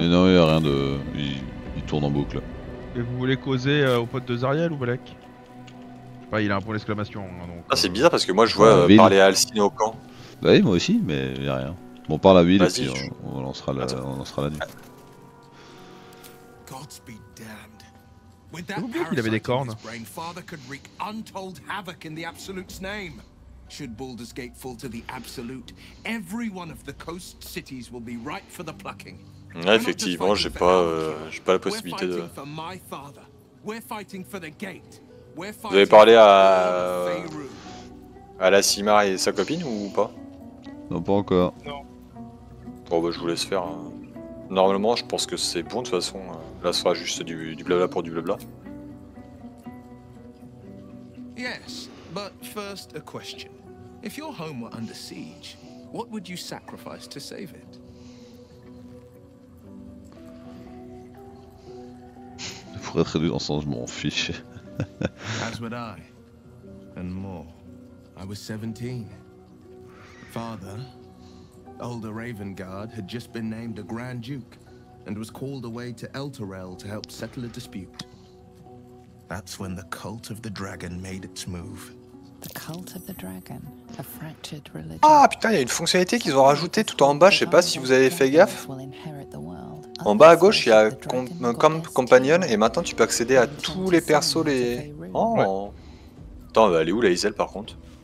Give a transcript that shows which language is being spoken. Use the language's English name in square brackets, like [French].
[French] Mais non, y a rien de... Il tourne en boucle. Et vous voulez causer au pote de Zariel ou Balek? Je sais pas, il a un point d'exclamation. Hein, donc, ah c'est bizarre parce que moi je vois parler à Alcine au camp. Bah oui, moi aussi, mais y'a rien. Bon, parle à lui, et puis on lancera la nuit. [English] God's be damned. With that parasite in his brain, Father could wreak untold havoc in the Absolute's name. Should Baldur's Gate fall to the Absolute, every one of the coast cities will be ripe for the plucking. [French] Effectivement, j'ai pas la possibilité de... [English] We're fighting for the gate. [French] Vous avez parlé à la Simar et sa copine ou pas? Non, pas encore. Non. Bon bah je vous laisse faire. Normalement je pense que c'est bon de toute façon. Là ce sera juste du blabla pour du blabla. [English] Yes, but first a question. If your home were under siege, what would you sacrifice to save it? [French] Je pourrais traduire dans le sens je m'en fiche. [English] As would I, and more. I was 17. Father, older Ravengard, had just been named a Grand Duke, and was called away to Elturel to help settle a dispute. That's when the Cult of the Dragon made its move. The Cult of the Dragon, a fractured religion. [French] Ah putain, il y a une fonctionnalité qu'ils ont rajoutée tout en bas. Je sais pas si vous avez fait gaffe. En bas à gauche, il y a Companion, et maintenant tu peux accéder à tous les persos, les... Oh ouais. Attends, elle est où la Isel par contre?